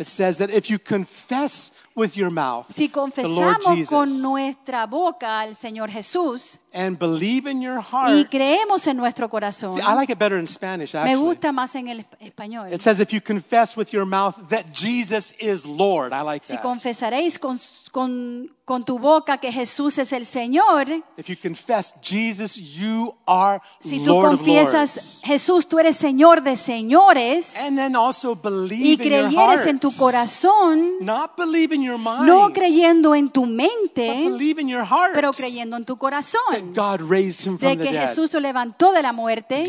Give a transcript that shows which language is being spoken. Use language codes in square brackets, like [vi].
[en] It says that if you confess with your mouth, [es] si confesamos con nuestra boca al Señor Jesús, [en] and believe in your heart, [es] y creemos en nuestro corazón. [en] See, I like it better in Spanish, actually. [es] Me gusta más en el español. [en] It says if you confess with your mouth that Jesus is Lord. I like that. [es] Si confesaréis con tu boca que Jesús es el Señor. [en] If you confess Jesus, you are Lord of lords. [es] Si tú confiesas Jesús, tú eres Señor de señores. [en] And then also believe in your heart. [es] Y creyeres en tu corazón. [en] Not believe in your mind. [es] No creyendo en tu mente. [en] But believe in your heart. [es] Pero creyendo en tu corazón. [en] That God raised him from the dead. [es] De que Jesús lo levantó de la muerte.